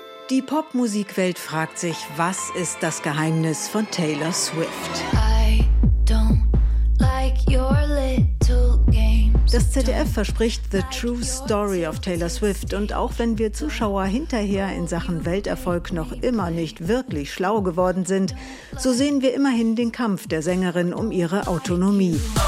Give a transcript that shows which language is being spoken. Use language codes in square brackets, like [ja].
[de] Die Popmusikwelt fragt sich, was ist das Geheimnis von Taylor Swift? [en] I don't like your little games. [de] Das ZDF verspricht The True Story of Taylor Swift. Und auch wenn wir Zuschauer hinterher in Sachen Welterfolg noch immer nicht wirklich schlau geworden sind, so sehen wir immerhin den Kampf der Sängerin um ihre Autonomie.